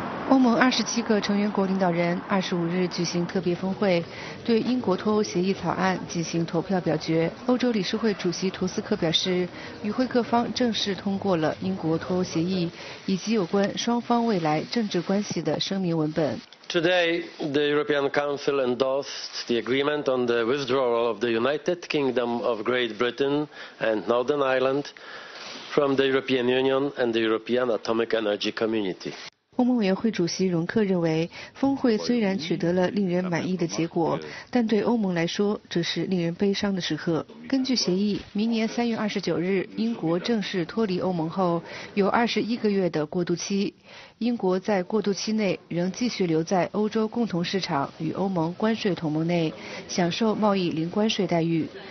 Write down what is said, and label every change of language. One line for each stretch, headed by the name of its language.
Chinese: 欧盟27个成员国领导人25日举行特别峰会，对英国脱欧协议草案进行投票表决。欧洲理事会主席图斯克表示，与会各方正式通过了英国脱欧协议以及有关双方未来政治关系的声明文本。
English: Today, the European Council endorsed the agreement on the withdrawal of the United Kingdom of Great Britain and Northern Ireland from the European Union and the European Atomic Energy Community.
Chinese: 欧盟委员会主席容克认为，峰会虽然取得了令人满意的结果，但对欧盟来说，这是令人悲伤的时刻。根据协议，明年3月29日，英国正式脱离欧盟后，有21个月的过渡期。英国在过渡期内仍继续留在欧洲共同市场与欧盟关税同盟内，享受贸易零关税待遇。